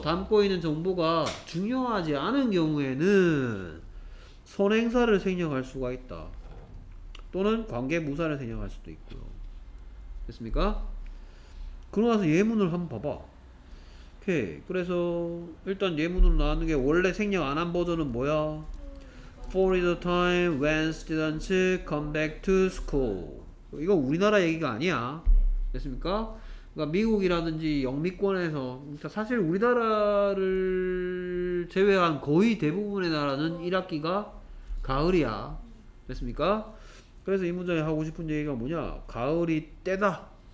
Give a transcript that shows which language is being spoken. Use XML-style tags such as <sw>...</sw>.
<ko>담고 있는 정보가 중요하지 않은 경우에는 선행사를 생략할 수가 있다. 또는 관계부사를 생략할 수도 있고요. 됐습니까? 그러고 나서 예문을 한번 봐봐. 오케이. 그래서 일단 예문으로 나왔는 게 원래 생략 안 한 버전은 뭐야?</ko> <en>For the time when students come back to school.</en> <ko>이거 우리나라 얘기가 아니야. 됐습니까? 그러니까 미국이라든지 영미권에서, 그러니까 사실 우리나라를 제외한 거의 대부분의 나라는 1학기가 가을이야. 됐습니까? 그래서 이 문장에 하고 싶은 얘기가 뭐냐? 가을이 때다.</ko>